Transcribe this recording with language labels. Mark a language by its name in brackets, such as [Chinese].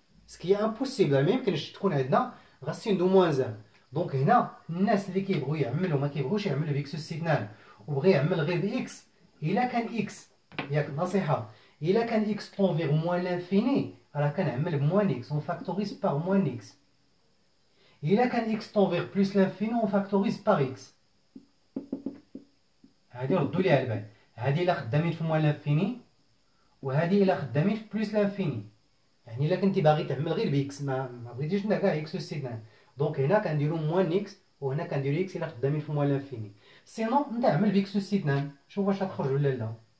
[French] سكي امبوسيبل [Arabic] ما يمكنش تكون عندنا [French] غاسين دو موان زان. [Arabic] دونك هنا الناس اللي كيبغيو يعملوا ما كيبغوش يعملوا [French] بيكس سيغنال [Arabic] وبغى يعمل غير باكس، الا كان اكس ياك نصيحه، الا كان اكس [French] طونفيغ موان لانفيني [Arabic] راه كنعمل بموان اكس، [French] اون فاكتوريز بار موان اكس، Et là, quand x tend vers plus l'infini, on factorise par x. [Arabic] هادي ردوا لي على البال، هادي الا خدامين في [French] موان لانفيني [Arabic] وهادي الا خدامين في [French] بلوس لانفيني. [Arabic] يعني الا كنتي باغي تعمل غير باكس، ما بغيتيش انك كاع اكس وسيدنا، دونك هنا كنديرو موان اكس وهنا كنديرو اكس الا خدامين في موان لانفيني، سينو انت اعمل باكس وسيدنا شوف واش غتخرج ولا لا.